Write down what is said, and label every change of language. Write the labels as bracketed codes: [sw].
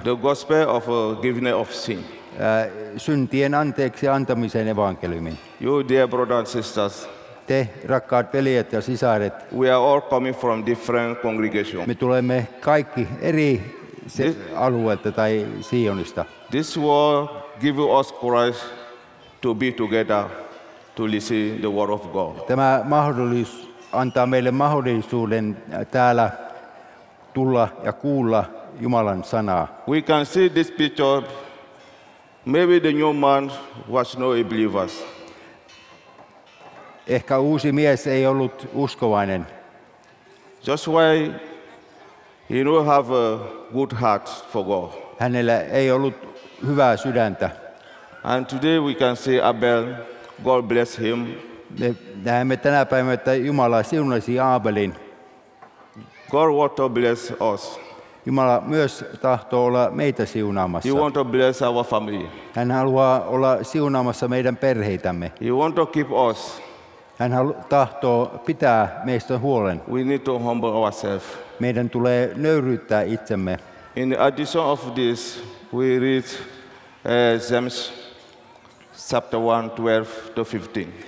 [en] The gospel of giving of sin. [fi] Syntien anteeksi antamisen evankeliumi. [en] You dear brothers and sisters. [fi] Te rakkaat veljet ja sisaret. [en] We are all coming from different congregations. [fi] Me tulemme kaikki eri alueelta tai Sionista. [en] This world give us courage to be together to listen the word of God. [fi] Tämä mahdollisuus antaa meille mahdollisuuden täällä tulla ja kuulla Jumalan sanaa. [en] We can see this picture. Maybe the new man was not a believer. [fi] Ehkä uusi mies ei ollut uskovainen. [en] Just why he don't have a good heart for God. [fi] Hänellä ei ollut hyvää sydäntä. [en] And today we can see Abel. God bless him. [fi] Me näemme tänä päivänä, että Jumala siunasi Abelin. [en] God want to bless us. [fi] Jumala myös tahtoo olla meitä siunaamassa. [en] He want to bless our family. [fi] Hän haluaa olla siunaamassa meidän perheitämme. [en] He want to keep us. [fi] Hän tahtoo pitää meistä huolen. [en] We need to humble ourselves. [fi] Meidän tulee nöyryyttää itsemme. [en] In addition of this, we read James chapter 1, 12 to 15.